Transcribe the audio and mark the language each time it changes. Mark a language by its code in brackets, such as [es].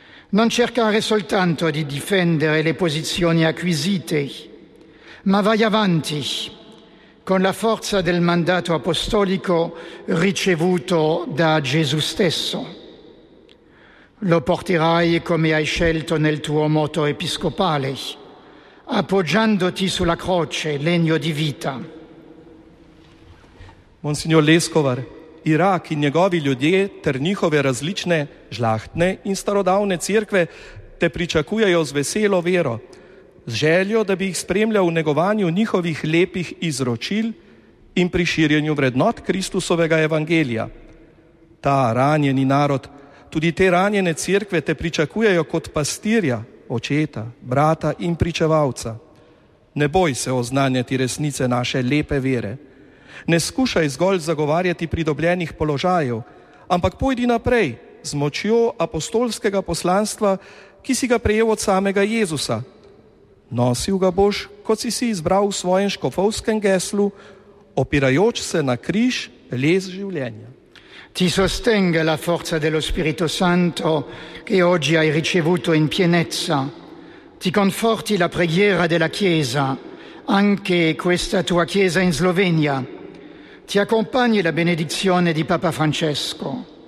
[it] Non cercare soltanto di difendere le posizioni acquisite, ma vai avanti con la forza del mandato apostolico ricevuto da Gesù stesso. Lo porterai come hai scelto nel tuo moto episcopale, appoggiandoti sulla croce, legno di vita. [sl] Monsignor Leskovar, Irak in njegovi ljudje ter njihove različne žlahtne in starodavne cerkve te pričakujejo z veselo vero, z željo, da bi jih spremljal v negovanju njihovih lepih izročil in pri širjenju vrednot Kristusovega evangelija. Ta ranjeni narod, tudi te ranjene cerkve te pričakujejo kot pastirja, očeta, brata in pričevalca. Ne boj se oznanjati resnice naše lepe vere. Ne skušaj zgolj zagovarjati pridobljenih položajev, ampak pojdi naprej z močjo apostolskega poslanstva, ki si ga prejel od samega Jezusa. Nosil ga boš, kot si izbral v svojem škofovskem geslu, opirajoč se na križ, les življenja. [it] Ti sostenga la forza dello Spirito Santo, che oggi hai ricevuto in pienezza. Ti conforti la preghiera della Chiesa, anche questa tua Chiesa in Slovenia. Ti accompagni la benedizione di Papa Francesco.